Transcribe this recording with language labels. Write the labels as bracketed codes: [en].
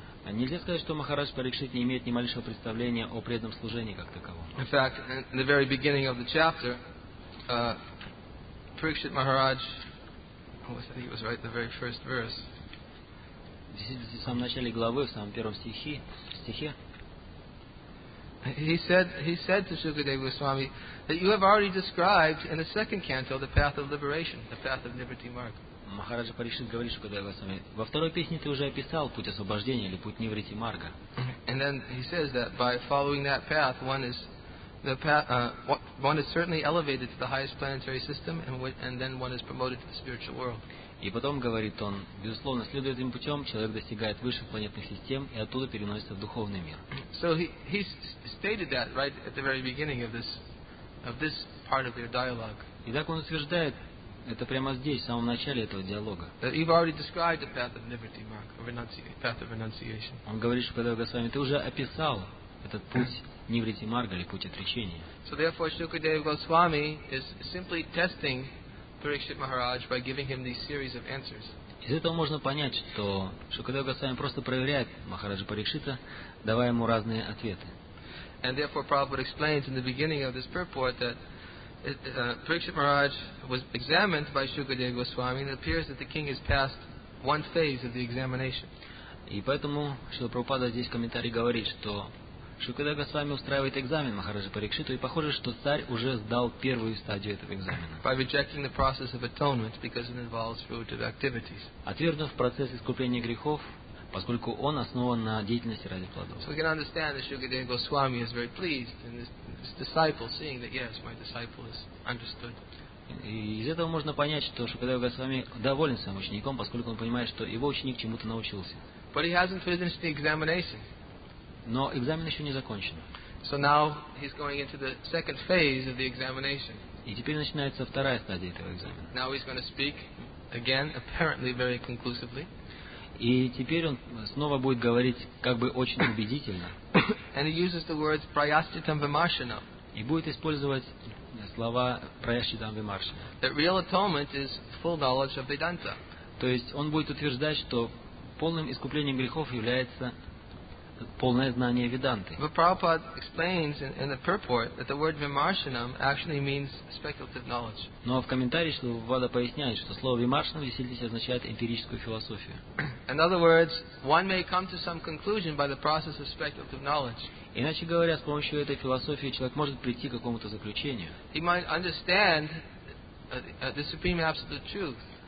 [ru] Нельзя сказать, что Махарадж Парикшит не имеет ни малейшего представления о преданном служении как таковом. [en] In fact, in the very beginning of the chapter, Parikshit Maharaj, I think it was right in the very first verse. [ru] В самом начале главы, в самом первом стихе. [en] He said to Sukadeva Goswami that you have already described in the second canto the path of liberation, the path of Nivritti Marga. [ru] Махараджа Парикшит говорит Шукадева Госвами, во второй песне ты уже описал путь освобождения или путь Нивритти Марга. [en] And then he says that by following that path, one is certainly elevated to the highest planetary system, and then one is promoted to the spiritual world. [ru] И потом, говорит он, безусловно, следуя этим путем, человек достигает высших планетных систем и оттуда переносится в духовный мир. [en] So he stated that right at the very beginning of this part of their dialogue. [ru] И так он утверждает это прямо здесь, в самом начале этого диалога. [en] You've already described the path of Nivritti Marga, path of renunciation. [ru] Он говорит, что Шукадева Госвами, ты уже описал этот путь Нивритти Марга или путь отречения. [en] So therefore, Shukadeva Goswami is simply testing Parikshit Maharaj by giving him these series of answers. [ru] Из этого можно понять, что Шукадева Госвами просто проверяет Махараджа Парикшита, давая ему разные ответы. [en] And therefore, Prabhupada explains in the beginning of this purport that Parikshit Maharaj was examined by Shukadeva Goswami, and it appears that the king has passed one phase of the examination. [ru] И поэтому Шрила Прабхупада здесь в комментарии говорит, что Шукадева Госвами устраивает экзамен Махараджа Парикшиту, и похоже, что царь уже сдал первую стадию этого экзамена. [en] By rejecting the process of atonement because it involves fruitive activities. [ru] Отвергнув процесс искупления грехов, поскольку он основан на деятельности ради плодов. [en] So we can understand that Shukadeva Goswami is very pleased in his disciple seeing that yes, my disciple is understood. [ru] И из этого можно понять, что Шукадева Госвами доволен своим учеником, поскольку он понимает, что его ученик чему-то научился. [en] But he hasn't finished the examination. [ru] Но экзамен еще не закончен. [en] So now he's going into the second phase of the examination. [ru] И теперь начинается вторая стадия этого экзамена. [en] Now he's going to speak again, apparently very conclusively. [ru] И теперь он снова будет говорить как бы очень убедительно. [en] And he uses the words prayaschitam vimarshanam. [ru] И будет использовать слова prayaschitam vimarshanam. [en] That real atonement is full knowledge of Vedanta. [ru] То есть он будет утверждать, что полным искуплением грехов является полное знание Веданты. [en] But Prabhupada explains in the purport that the word vimarshanam actually means speculative knowledge. [ru] Но в комментарии Шрила Прабхупада поясняет, что слово vimarshanam в действительности означает эмпирическую философию. [en] In other words, one may come to some conclusion by the process of speculative knowledge. [ru] Иначе говоря, с помощью этой философии человек может прийти к какому-то заключению. [en] He might understand the supreme absolute truth.